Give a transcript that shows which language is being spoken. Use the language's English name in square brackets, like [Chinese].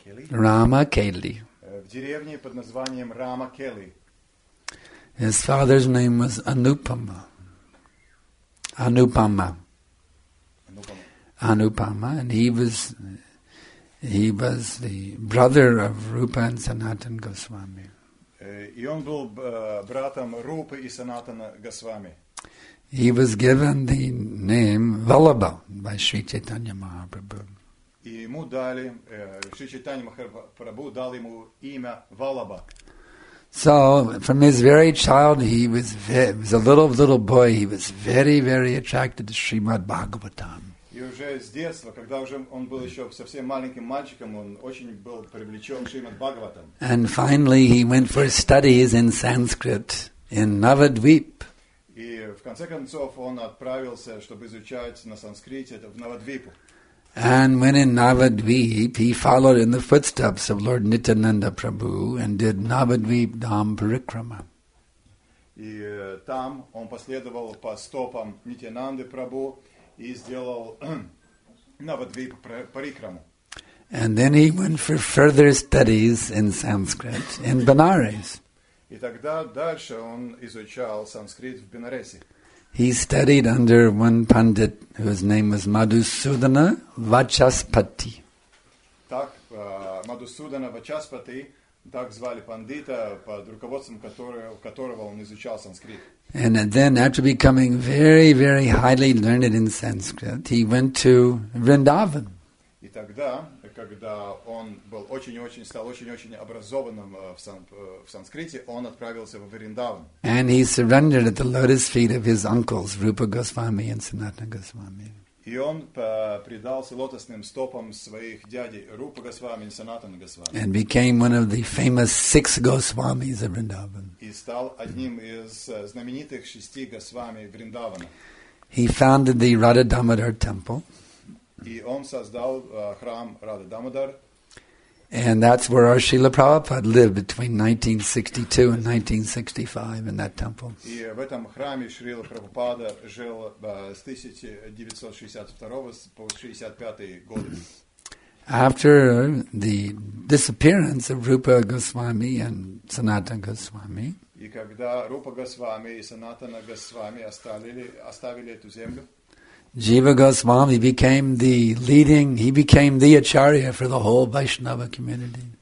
[Russian] Ramakeli. В деревне под названием Ramakeli. [English] His father's name was Anupama. Anupama, and he was the brother of Rupa and Sanatana Goswami. [Russian] И он был братом Рупы и Санатана Госвами. [English] He was given the name Vallabha by Sri Chaitanya Mahaprabhu. [Russian] И ему дали Sri Chaitanya Mahaprabhu дал ему имя Vallabha. [English] So, from his very child, he was a little boy, he was very, very attracted to Srimad Bhagavatam. [Russian] И уже с детства, когда уже он был еще совсем маленьким мальчиком, он очень был привлечен Шримад Бхагаватам. [English] And finally, he went for studies in Sanskrit in Navadvip. [Russian] И в конце концов он отправился, чтобы изучать на санскрите в Навадвипу. [English] And when in Navadvip, he followed in the footsteps of Lord Nityananda Prabhu and did Navadvip Dham Parikrama. [Russian] И там он последовал по стопам Нитянанды Прабху и сделал Навадвип Парикраму. [English] And then he went for further studies in Sanskrit in Benares. [Russian] И тогда дальше он изучал санскрит в Бенаресе. [English] He studied under one pundit whose name was Madhusudana Vachaspati. [Russian] Так, Madhusudana Vachaspati, так звали пандита, под руководством которого он изучал санскрит. [English] And then after becoming very, very highly learned in Sanskrit, he went to Vrindavan. [Russian] И тогда, когда он был очень-очень, стал очень-очень образованным в санскрите, он отправился во Вриндаван. [English] And he surrendered at the lotus feet of his uncles, Rupa Goswami and Sanatana Goswami. [Russian] И он предался лотосным стопам своих дядей Рупа Госвами и Санатана Госвами. [English] And became one of the famous six Goswamis of Vrindavan. [Russian] И стал одним из знаменитых шести Госвами Вриндавана. [English] He founded the Radha Damodar temple. [Russian] И он создал храм Радха Дамодар. [English] And that's where our Srila Prabhupada lived between 1962 and 1965 in that temple. [Russian] И в этом храме Шрила Прабхупада жил с 1962 по 65 годы. [English] After the disappearance of Rupa Goswami and Sanatana Goswami. [Russian] И когда Рупа Госвами и Санатана Госвами оставили эту землю, [English] Jiva Goswami became the leading, he became the acharya for the whole Vaishnava community.